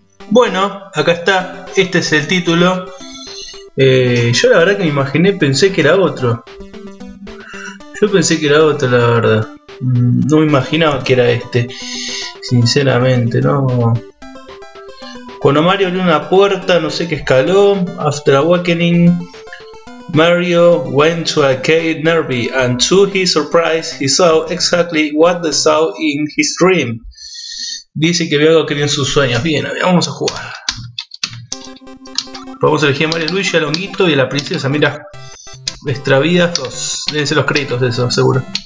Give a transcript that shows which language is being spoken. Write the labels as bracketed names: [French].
[Spanish] Bueno, acá está, este es el título. Yo la verdad que me imaginé, pensé que era otro. Yo pensé que era otro, la verdad. No me imaginaba que era este, sinceramente, no. Cuando Mario abrió una puerta, no sé qué escaló. [English] After Awakening, Mario went to a cave nearby, and to his surprise, he saw exactly what he saw in his dream. [Spanish] Dice que vio algo que vio en sus sueños. Bien, vamos a jugar. Vamos a elegir a Mario Luigi, a Longuito y a la princesa. Mira, extravías dos. Deben ser los créditos de eso, seguro.